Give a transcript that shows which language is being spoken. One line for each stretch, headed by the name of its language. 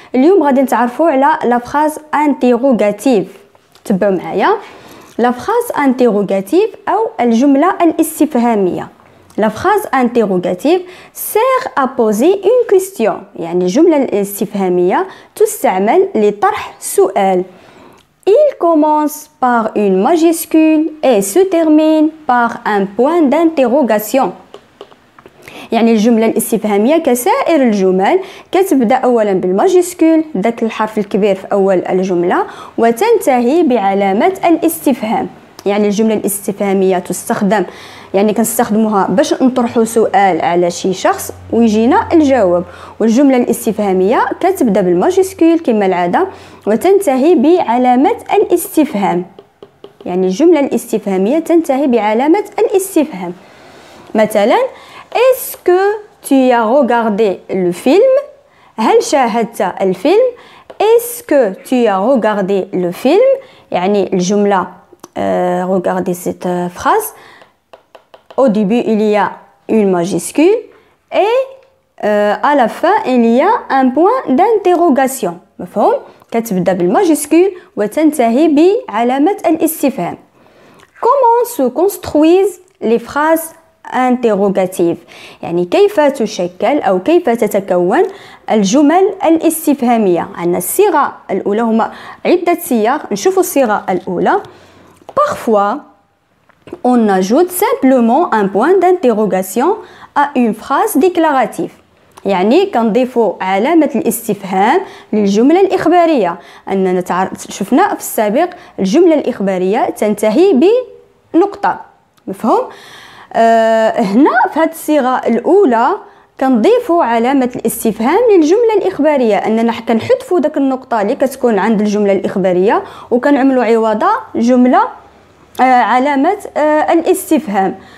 Arabic: اليوم غادي نتعرفوا على لافخاس انتيغوغاتيف. تبعوا معايا. لافخاس انتيغوغاتيف أو الجملة الاستفهامية، لافخاس انتيغوغاتيف سير ابوزي اون كويستيون، يعني الجمله الاستفهاميه تستعمل لطرح سؤال.
French: Il commence par une majuscule et se termine par un point d'interrogation.
Arabic: يعني الجمله الاستفهاميه كسائر الجمل كتبدا اولا بالماجيسكول، داك الحرف الكبير في اول الجمله، وتنتهي بعلامه الاستفهام. يعني الجمله الاستفهاميه تستخدم، يعني كنستخدموها باش نطرحوا سؤال على شي شخص ويجينا الجواب. والجمله الاستفهاميه كتبدا بالماجيسكول كما العاده وتنتهي بعلامه الاستفهام. يعني الجمله الاستفهاميه تنتهي بعلامه الاستفهام.
French: مثلا Est-ce que tu as regardé le film؟
Arabic: هل شاهدت الفيلم؟
French: Est-ce que tu as regardé le film؟
Arabic: يعني الجمله
French: regardé cette phrase. Au début, il y a une majuscule et à la fin, il y a un point d'interrogation.
Arabic: مفهوم؟ كتبدا بالماجيسكول وتنتهي بعلامة الاستفهام.
French: Comment se construisent les phrases interrogatives؟
Arabic: يعني كيف تشكل أو كيف تتكون الجمل الاستفهامية؟ عندنا الصيغة الأولى، هما عدة صيغ. نشوفوا الصيغة الأولى.
French: Parfois, on ajoute simplement un point d'interrogation à une phrase déclarative.
Arabic: يعني كنضيفوا علامة الاستفهام للجملة الإخبارية. أننا شفنا في السابق الجملة الإخبارية تنتهي بنقطة. مفهوم؟ هنا في هذه الصيغة الأولى كنضيفوا علامة الاستفهام للجملة الإخبارية، أننا كنحذفوا داك النقطة اللي كتكون عند الجملة الإخبارية وكنعملوا عوضة جملة علامة الاستفهام.